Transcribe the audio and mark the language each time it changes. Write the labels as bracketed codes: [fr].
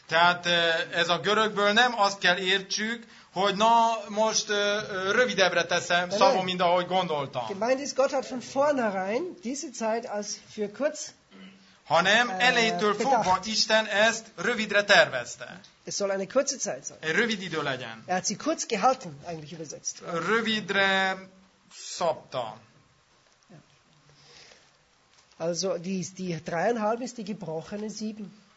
[hu] Tehát ez a görögből nem azt kell értsük, hogy na most rövidebbre teszem szavom, mint ahogy gondoltam. [de] Gemeint ist, Gott hat von vornherein diese Zeit als für kurz. [hu] Hanem elejétől fogva Isten ezt rövidre tervezte. [de] Es soll eine kurze Zeit sein. [hu] Egy rövid idő legyen. [de] Er hat sie kurz gehalten, eigentlich übersetzt. [hu] Rövidre szabta. Ja. [de] Also die 3,5 ist die gebrochene 7.